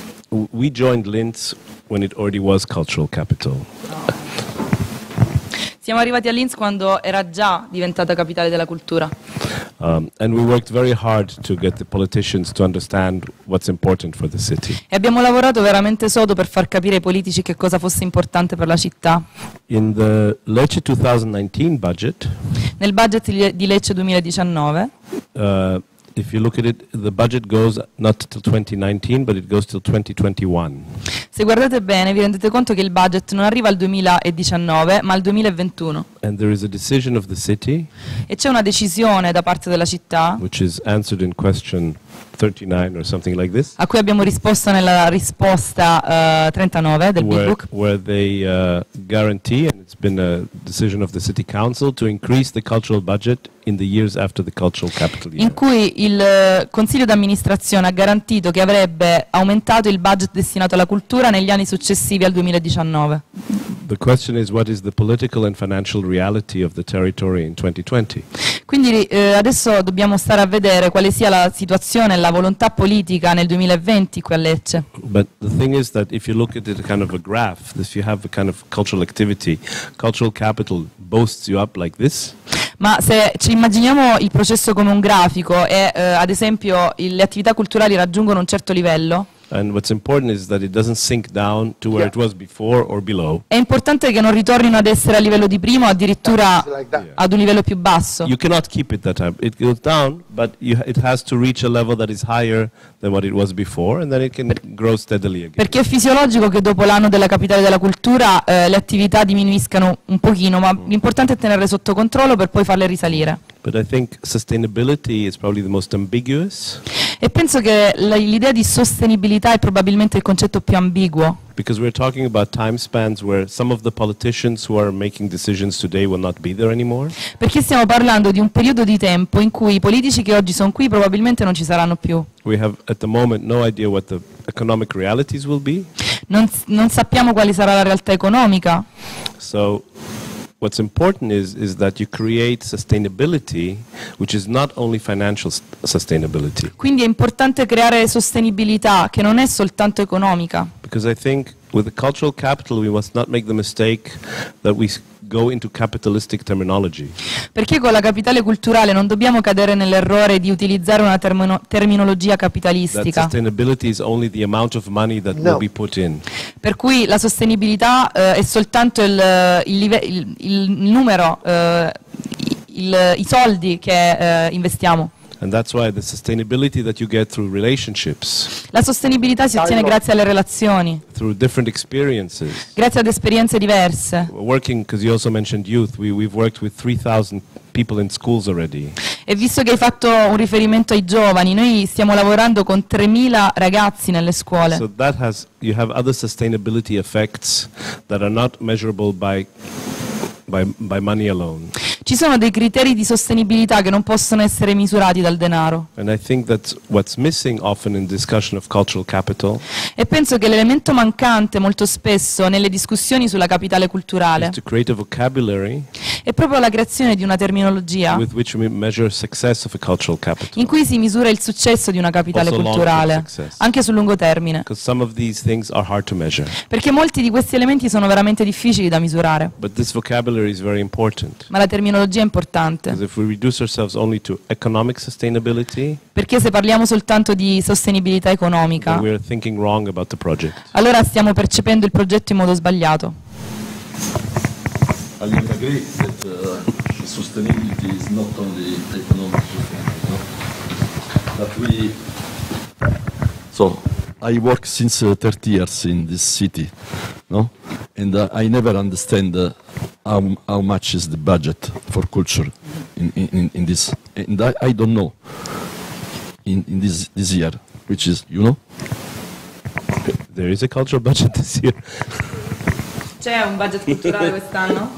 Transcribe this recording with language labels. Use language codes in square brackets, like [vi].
[en] We joined Linz when it already was cultural capital. [it] Siamo arrivati a Linz quando era già diventata capitale della cultura. [en] And we worked very hard to get the politicians to understand what's important for the city. [it] E abbiamo lavorato veramente sodo per far capire ai politici che cosa fosse importante per la città. [en] In the Lecce 2019 budget. [it] Nel budget di Lecce 2019. [en] If you look at it, the budget goes not till 2019, but it goes till 2021. [it] Se guardate bene, vi rendete conto che il budget non arriva al 2019, ma al 2021. [en] And there is a decision of the city. [it] E c'è una decisione da parte della città. [en] Which is answered in question 39 or something like this. [it] A cui abbiamo risposto nella risposta 39 del [en] where, Bid Book. Where they guarantee, and it's been a decision of the city council, to increase the cultural budget in the years after the cultural capital year. [it] In cui il consiglio d'amministrazione ha garantito che avrebbe aumentato il budget destinato alla cultura negli anni successivi al 2019. [en] The question is what is the political and financial reality of the territory in 2020. [it] Quindi adesso dobbiamo stare a vedere quale sia la situazione e la volontà politica nel 2020 qui a Lecce. [en] But the thing is that if you look at it kind of a graph, if you have a kind of cultural activity, cultural capital boosts you up like this. [it] Ma se ci immaginiamo il processo come un grafico e ad esempio le attività culturali raggiungono un certo livello. [en] And what's important is that it doesn't sink down to where it was before or below. [it] È importante che non ritornino ad essere a livello di prima o addirittura ad un livello più basso. [en] You cannot keep it that high. It goes down, but it has to reach a level that is higher than what it was before, and then it can grow steadily again. [it] Perché è fisiologico che dopo l'anno della capitale della cultura le attività diminuiscano un pochino, ma l'importante è tenerle sotto controllo per poi farle risalire. [en] But I think sustainability is probably the most ambiguous. [it] E penso che l'idea di sostenibilità è probabilmente il concetto più ambiguo. [en] Because we're talking about time spans where some of the politicians who are making decisions today will not be there anymore. [it] Perché stiamo parlando di un periodo di tempo in cui i politici che oggi sono qui probabilmente non ci saranno più. [en] We have at the moment no idea what the economic realities will be. [it] Non sappiamo quale sarà la realtà economica. [en] So what's important is that you create sustainability, which is not only financial sustainability. [it] Quindi è importante creare sostenibilità che non è soltanto economica. [en] Because I think with the cultural capital we must not make the mistake that we go into capitalistic terminology. [it] Perché con la capitale culturale non dobbiamo cadere nell'errore di utilizzare una terminologia capitalistica. [en] That sustainability is only the amount of money that will be put in. [it] Per cui la sostenibilità è soltanto il numero, i soldi che investiamo. [en] And that's why the sustainability that you get through relationships. [it] La sostenibilità si ottiene grazie alle relazioni. [en] Through different experiences. [it] Grazie ad esperienze diverse. [en] Working, because you also mentioned youth, we've worked with 3,000 people in schools already. [it] E visto che hai fatto un riferimento ai giovani, noi stiamo lavorando con 3,000 ragazzi nelle scuole. [en] So that has, you have other sustainability effects that are not measurable by money alone. [it] Ci sono dei criteri di sostenibilità che non possono essere misurati dal denaro. [en] And I think that's what's missing often in discussion of cultural capital. [it] E penso che l'elemento mancante molto spesso nelle discussioni sulla capitale culturale [en] is to create a vocabulary [it] è proprio la creazione di una terminologia [en] with which we measure success of a cultural capital. [it] In cui si misura il successo di una capitale culturale, anche sul lungo termine. [en] Because some of these things are hard to measure. [it] Perché molti di questi elementi sono veramente difficili da misurare. [en] But this vocabulary is very important. [it] Ma la terminologia è importante. [en] Because if we reduce ourselves only to economic sustainability, [it] perché se parliamo soltanto di sostenibilità economica, [en] then we are thinking wrong about the project. [it] Allora stiamo percependo il progetto in modo sbagliato. [en] I agree that sustainability is not only economic, but we. So, I work since 30 years in this city, no? And I never understand how much is the budget for culture in this. And I don't know in this year, which is, you know? There is a cultural budget this year. [it] C'è un budget culturale quest'anno?